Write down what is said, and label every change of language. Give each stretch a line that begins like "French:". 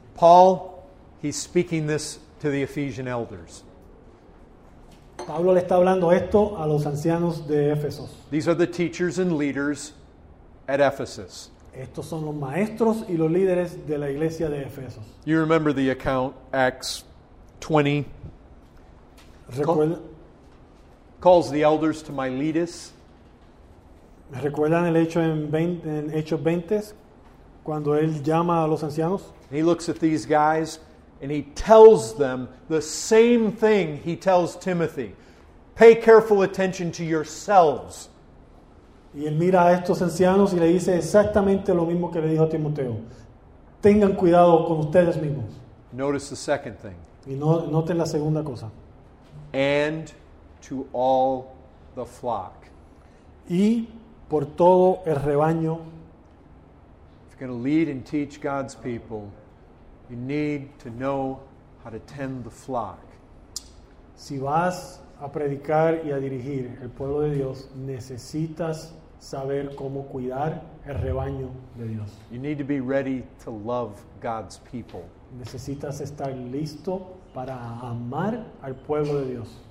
English: Paul, he's speaking this to the Ephesian elders.
Spanish: Pablo le está hablando esto a los ancianos de Éfesos.
English: These are the teachers and leaders at Ephesus.
Spanish: Estos son los maestros y los líderes de la iglesia de Éfesos.
English: You remember the account, Acts 20. Calls the elders to Miletus.
Spanish: ¿Recuerdan el hecho en Hechos 20? Cuando él llama a los ancianos.
English: He looks at these guys. And he tells them the same thing he tells Timothy. Pay careful attention to yourselves.
Spanish: Y él mira a estos ancianos y le dice exactamente lo mismo que le dijo a Timoteo. Tengan cuidado con ustedes mismos.
English: Notice the second thing.
Spanish: Y noten la segunda cosa.
English: And to all the flock.
Spanish: Y por todo el rebaño.
English: If you're going to lead and teach God's people, you need to know how to tend the flock.
Spanish: Si vas a predicar y a dirigir el pueblo de Dios, necesitas saber cómo cuidar el rebaño de Dios.
English: You need to be ready to love God's people.
Spanish: Necesitas estar listo para amar al pueblo de Dios.